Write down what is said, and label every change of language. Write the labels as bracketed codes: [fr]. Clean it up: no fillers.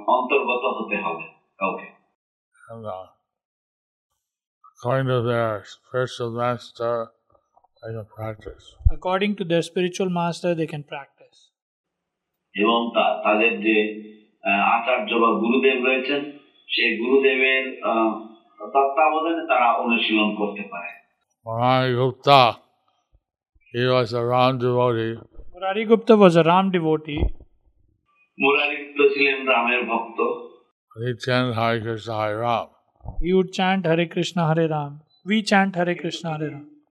[en] And according to their spiritual master, they can practice. According to their spiritual master, they can practice. [bn] এবং তাদের যে আচার্য বা গুরুদেব রয়েছেন সেই গুরুদেবের তত্ত্বাবধানে তারা অনুশীলন করতে পারে। [en] Maharaj Gupta, he was a Ram devotee. Murari Gupta was a Ram devotee. [bn] Murari গুপ্ত ছিলেন রামের ভক্ত। [en] He chanted Hare Krishna Hare Ram. He would chant Hare Krishna Hare Ram. We chant Hare Krishna Hare Ram.